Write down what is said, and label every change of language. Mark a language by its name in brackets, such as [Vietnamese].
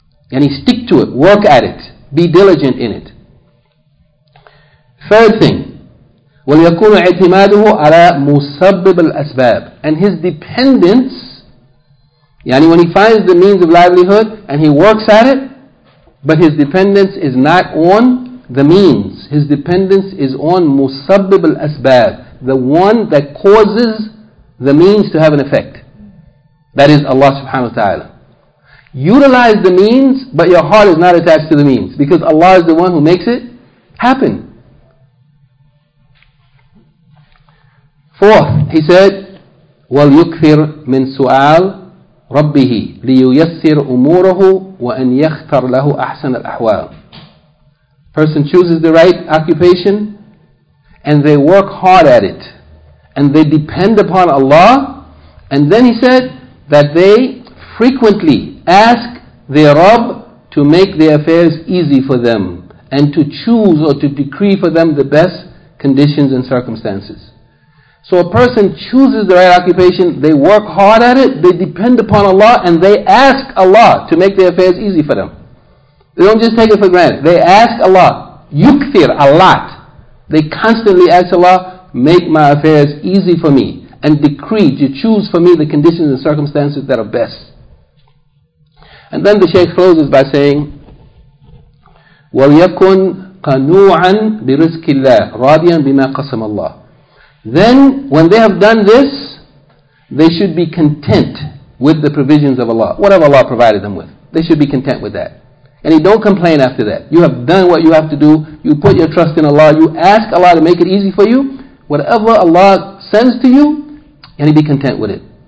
[English] And he stick to it, work at it, be diligent in it. Third thing, [Arabic] وَلْيَكُونُ اِعْتِمَادُهُ عَلَى مُسَبِّبِ الْأَسْبَابِ, [English] and his dependence, yani when he finds the means of livelihood and he works at it, but his dependence is not on the means, his dependence is on مُسَبِّبِ الْأَسْبَابِ, the one that causes the means to have an effect, that is Allah subhanahu wa ta'ala. Utilize the means, but your heart is not attached to the means, because Allah is the one who makes it happen. Fourth, he said, [Arabic] وَلْيُكْفِرْ مِنْ سُؤَالِ رَبِّهِ لِيُيَسِّرْ أُمُورَهُ وَأَنْ يَخْتَرْ لَهُ أَحْسَنَ الْأَحْوَالِ. [English] Person chooses the right occupation, and they work hard at it, and they depend upon Allah, and then he said that they frequently ask their Rabb to make their affairs easy for them and to choose or to decree for them the best conditions and circumstances. So a person chooses the right occupation, they work hard at it, they depend upon Allah, and they ask Allah to make their affairs easy for them. They don't just take it for granted. They ask Allah, yukthir, a lot. They constantly ask Allah, make my affairs easy for me and decree to choose for me the conditions and circumstances that are best. And then the Shaykh closes by saying, [Arabic] وَلْيَكُنْ قَنُوعًا بِرِزْكِ اللَّهِ رَاضِيًا بِمَا قَسَمَ اللَّهِ. [English] Then, when they have done this, they should be content with the provisions of Allah, whatever Allah provided them with. They should be content with that. And he don't complain after that. You have done what you have to do, you put your trust in Allah, you ask Allah to make it easy for you, whatever Allah sends to you, and be content with it.